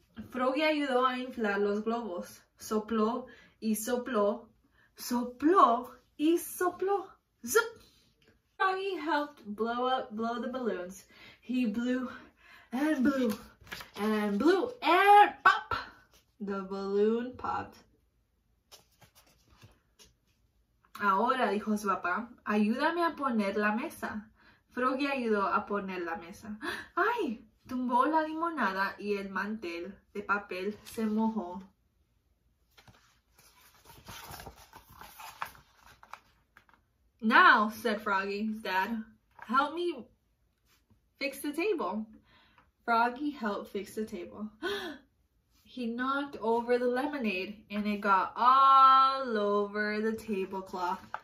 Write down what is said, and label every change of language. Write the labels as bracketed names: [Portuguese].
[Spanish] Froggy ayudó a inflar los globos. Sopló y sopló. Sopló y sopló. [English] Zip! Froggy helped blow the balloons. He blew and blew and blew and pop! The balloon popped. [Spanish] Ahora, dijo su papá, ayúdame a poner la mesa. Froggy ayudó a poner la mesa. ¡Ay! Tumbó la limonada y el mantel de papel se mojó. [English] Now, said Froggy's dad, help me fix the table. Froggy helped fix the table. He knocked over the lemonade and it got all over the tablecloth.